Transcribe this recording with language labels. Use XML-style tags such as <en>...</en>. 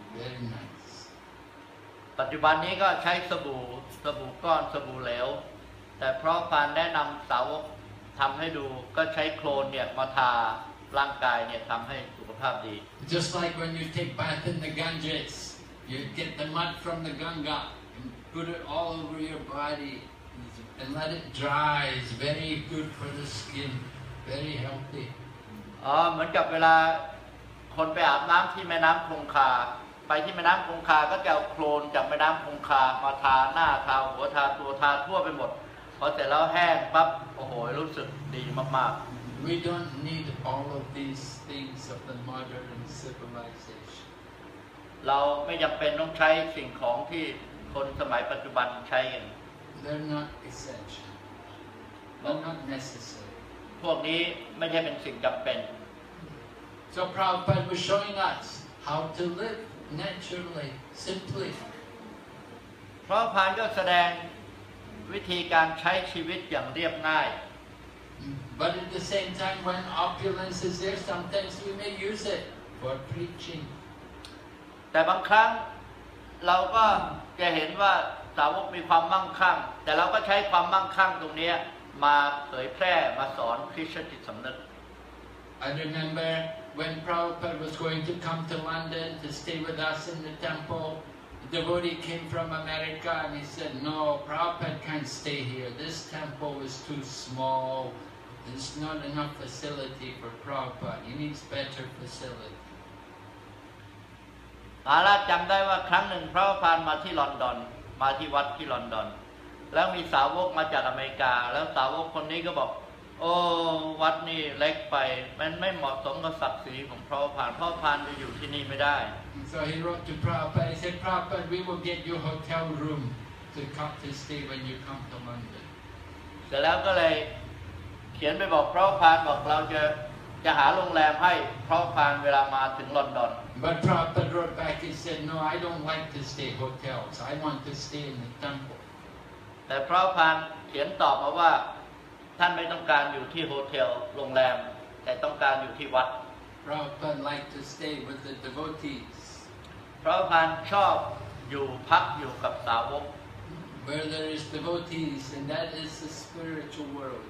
<en>Very nice.</en> <th>ปัจจุบันนี้ก็ใช้สบู่ก้อนสบู่เหลวแต่Prabhupadแนะนำสาวกทำให้ดูก็ใช้โคลนเนี่ยมาทาร่างกายเนี่ยทำให้สุขภาพดี</th> <en>Just like when you take bath in the GangesYou get the mud from the Ganga and put it all over your body and let it dry. It's very good for the skin, very healthy.</en> <th>Oh, เหมือนกับเวลาคนไปอาบน้ำที่แม่น้ำคงคาไปที่แม่น้ำคงคาก็จะเอาโคลนจากแม่น้ำคงคามาทาหน้าทาหัวทาตัวทาทั่วไปหมดพอเสร็จแล้วแห้งปั๊บโอ้โหรู้สึกดีมาก</th> <en>ๆ We don't need all of these things of the modern civilization.</en> <th>เราไม่จำเป็นต้องใช้สิ่งของที่คนสมัยปัจจุบันใช้กัน</th> <en>They're not essential. They're not necessary.</en> <th>พวกนี้ไม่ใช่เป็นสิ่งจำเป็น</th> <en>So Prabhupada was showing us how to live naturally, simply.</en> <th>Prabhupada ก็แสดงวิธีการใช้ชีวิตอย่างเรียบง่าย</th> <en>But at the same time, when opulence is there, sometimes we may use it for preaching.</en> <th>แต่บางครั้งเราก็จะเห็นว่าสาวกมีความมั่งคั่งแต่เราก็ใช้ความมั่งคั่งตรงนี้มาเผยแพร่มาสอนคริสตจิตสำนึก</th> <en>I remember when Prabhupada was going to come to London to stay with us in the temple a devotee came from America and he said no Prabhupada can't stay here this temple is too small there's not enough facility for Prabhupada he needs better facility</en> <th>อาราจำได้ว่าครั้งหนึ่งพระพานมาที่ลอนดอนมาที่วัดที่ลอนดอนแล้วมีสาวกมาจากอเมริกาแล้วสาวกคนนี้ก็บอกโอ้วัดนี่เล็กไปมันไม่เหมาะสมกับศักดิ์ศรีของพระพานพระพานจะอยู่ที่นี่ไม่ได้</th> <en>So he wrote to Prabhupada he said Prabhupada we will get you hotel room to come to stay when you come to London</en> <th>เสร็จแล้วก็เลยเขียนไปบอกพระพานบอกเราจะ จะหาโรงแรมให้พระพานเวลามาถึงลอนดอน</th> <en>But Prabhupada wrote back and said, no, I don't like to stay hotels. I want to stay in the temple.</en> <th>แต่พระพานเขียนตอบมาว่าท่านไม่ต้องการอยู่ที่โฮเทลโรงแรมแต่ต้องการอยู่ที่วัด</th> <en>Prabhupada like to stay with the devotees.</en> <th>พระพานชอบอยู่พักอยู่กับสาวก</th> <en>Where there is devotees, and that is the spiritual world.</en>